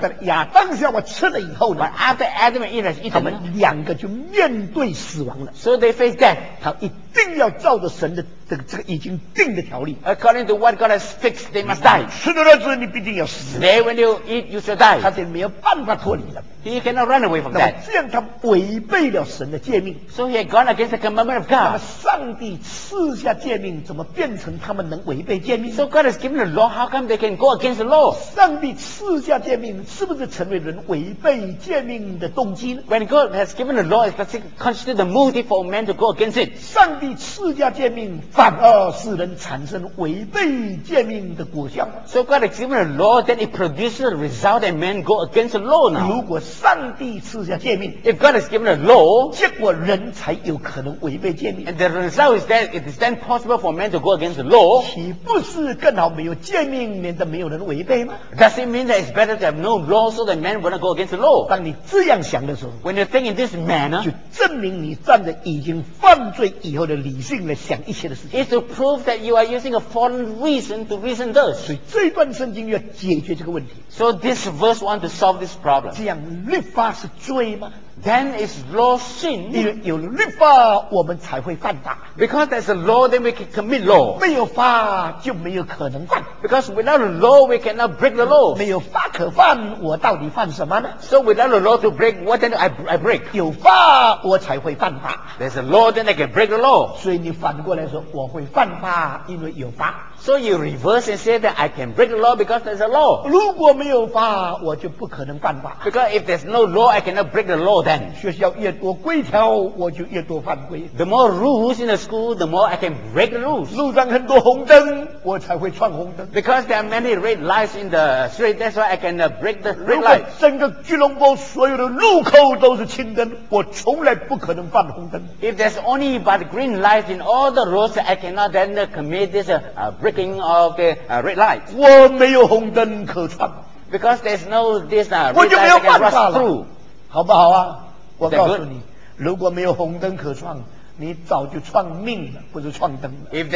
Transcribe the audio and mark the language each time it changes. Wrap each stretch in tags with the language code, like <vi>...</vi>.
<zh>但亚当夏娃吃了以后呢？</zh> <en>But after Adam and Eve</en> <zh>他们两个就面对死亡了。</zh> <en>So they face death.</en> <zh>他一定要照着神的这个已经定的条例。</zh> <en>According to what God has fixed, they must die.</en> <zh>吃了肉之后，你必定要死。</zh> <en>Today when you eat, you shall die.</en> <zh>他就没有办法脱离了。</zh> <en>He cannot run away from that.</en> <zh>这样他违背了神的诫命。</zh> <en>So he had gone against the commandment of God.</en> <zh>那么上帝赐下诫命，怎么变成他们能违背诫命</zh> <en>？So God has given the law. How come they can go against the law?</en> <zh>上帝赐下诫命，是不是成为人违背诫命的动机呢</zh> <en>？When God has given the law, is that considered the motive for man to go against it?</en> <zh>上帝赐下诫命，反而使人产生违背诫命的果效。</zh> <en>So God has given the law, then it produces the result that man go against the law now.</en> <zh>如果上帝赐下诫命</zh> <en>，If God has given a law，</en> <zh>结果人才有可能违背诫命。</zh> <en>And the result is that it is then possible for man to go against the law。</en> <zh>岂不是更好没有诫命，免得没有人违背吗</zh> <en>？Does it mean that it's better to have no law so that man will not go against the law？</en> <zh>当你这样想的时候</zh> <en>，When you think in this manner，</en> <zh>就证明你站在已经犯罪以后的理性来想一切的事情。</zh> <en>It's to prove that you are using a fallen reason to reason thus。</en> <zh>所以这段圣经要解决这个问题。</zh> <en>So this verse want to solve this problem。</en> <zh>这样。律法是罪吗</zh> <en>？Then is law sin？</en> <zh>有律法，我们才会犯法。</zh> <en>Because there's a law, then we can commit law。</en> <zh>没有法就没有可能犯。</zh> <en>Because without a law, we cannot break the law。</en> <zh>没有法可犯，我到底犯什么呢</zh> <en>？So without a law to break, what then I break？</en> <zh>有法我才会犯法。</zh> <en>There's a law, then I can break the law。</en> <zh>所以你反过来说，我会犯法，因为有法。</zh> <en>So you reverse and say that I can break the law because there's a law.</en> <zh>如果没有法，我就不可能犯法。</zh> <en>Because if there's no law, I cannot break the law then.</en> <zh>学校越多规条，我就越多犯规。</zh> <en>The more rules in the school, the more I can break the rules.</en> <zh>路上很多红灯，我才会闯红灯。</zh> <en>Because there are many red lights in the street, that's why I can break the red light.</en> <zh>如果整个吉隆坡所有的路口都是青灯，我从来不可能犯红灯。</zh> <en>If there's only but green lights in all the roads, I cannot then commit this break. Of the red light.</en> <zh>我没有红灯可穿。</zh> <en>Because there's no this red light.</en> <zh>我就没有办法了。好不好啊？我告诉你，如果没有红灯可穿，你早就撞命了，不是撞灯了。</zh>